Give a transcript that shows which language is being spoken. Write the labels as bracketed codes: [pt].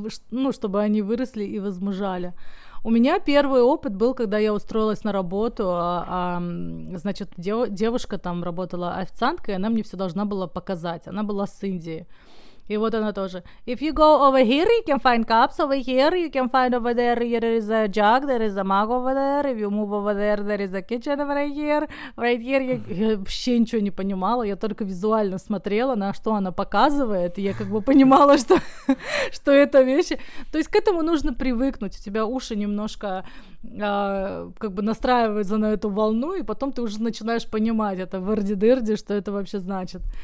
[ru] Ну, чтобы они выросли и возмужали. У меня первый опыт был, когда я устроилась на работу, значит, девушка там работала официанткой, она мне все должна была показать. Она была с Индии. И вот она тоже. [en] If you go over here, you can find cups over here, you can find over there, here is a jug, there is a mug over there, if you move over there, there is a kitchen over here, right here. [ru] Я вообще ничего не понимала, я только визуально смотрела, на что она показывает, и я как бы понимала, что, что это вещи. То есть к этому нужно привыкнуть, у тебя уши немножко... как бы настраиваются на эту волну, и потом ты уже начинаешь понимать это вырди-дырди, что это вообще значит.